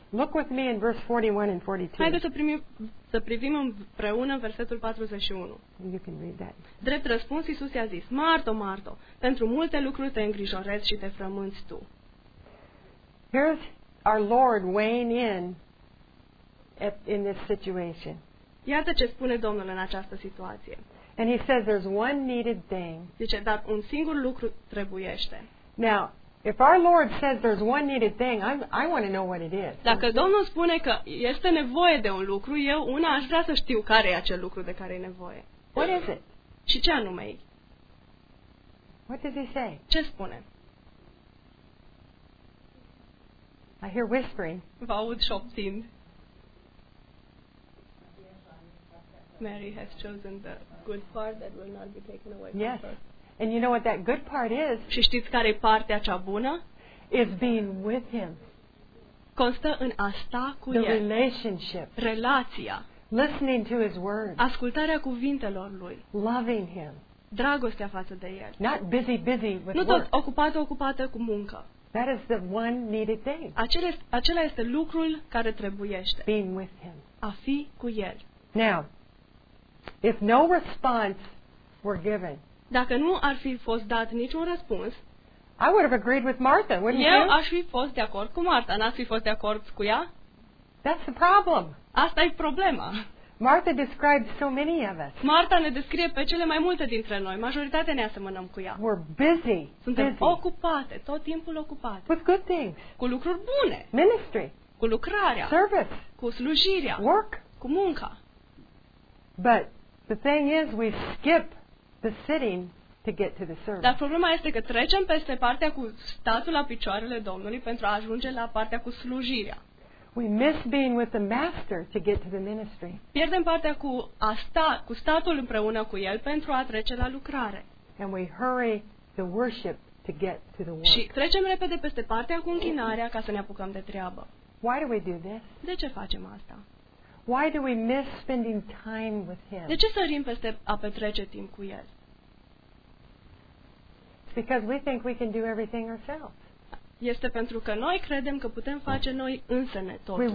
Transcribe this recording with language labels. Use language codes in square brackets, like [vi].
[en] Look with me in verse 41 and 42. [ro] Haideți să privim împreună versetul 41. [en] You can read that. [ro] Drept răspuns, Iisus i-a zis, Marto, Marto, pentru multe lucruri te îngrijorezi și te frămânți tu. [en] Here's our Lord weighing in this situation. [ro] Iată ce spune Domnul în această situație. [en] And he says there's one needed thing. [ro] Zice, dar un singur lucru trebuiește. [en] Now, if our Lord says there's one needed thing, I want to know what it is. [ro] Dacă Domnul spune că este nevoie de un lucru, eu una aș vrea să știu care e acel lucru de care e nevoie. [en] What is it? [ro] Și ce anume e? [en] What does he say? [ro] Ce spune? [en] I hear whispering. [ro] Vă aud șoptind. [en] Mary has chosen the good part that will not be taken away from yes. her. And you know what that good part is? [ro] Și știți care e partea cea bună? [en] Is being with him. [ro] Constă în a sta cu [en] the [ro] el. [en] The relationship. [ro] Relația. [en] Listening to his words. [ro] Ascultarea cuvintelor lui. [en] Loving him. [ro] Dragostea față de el. [en] Not busy, busy with work. [ro] Nu tot ocupată cu muncă. [en] That is the one needed thing. [ro] Acela este lucrul care trebuiește. [en] Being with him. [ro] A fi cu el. [en] Now, if no response were given, [ro] dacă nu ar fi fost dat niciun răspuns, [en] I would have agreed with Martha, wouldn't you? [ro] Eu aș fi fost de acord cu Martha. N-ați fi fost de acord cu ea? [en] That's the problem. [ro] Asta e problema. [en] Martha describes so many of us. [ro] Martha ne descrie pe cele mai multe dintre noi. Majoritatea ne asemănăm cu ea. [en] We're busy. [ro] Suntem [en] busy. [ro] Ocupate, tot timpul ocupate. [en] With good things. [ro] Cu lucruri bune. [en] Ministry. [ro] Cu lucrarea. [en] Service. [ro] Cu slujirea. [en] Work. [ro] Cu munca. [en] But the thing is, we skip the sitting to get to the service. [ro] Dar problema este că trecem peste partea cu statul la picioarele Domnului pentru a ajunge la partea cu slujirea. [en] We miss being with the master to get to the ministry. [ro] Pierdem partea cu a sta, cu statul împreună cu el pentru a trece la lucrare. [en] And we hurry the worship to get to the work. [ro] Și trecem repede peste partea cu închinarea ca să ne apucăm de treabă. [en] Why do we do this? [ro] De ce facem asta? [en] Why do we miss spending time with him? [ro] De ce sărim peste a petrece timp cu el? [en] It's because we think we can do everything ourselves. [ro] Este pentru că noi credem că putem face noi însăne totul.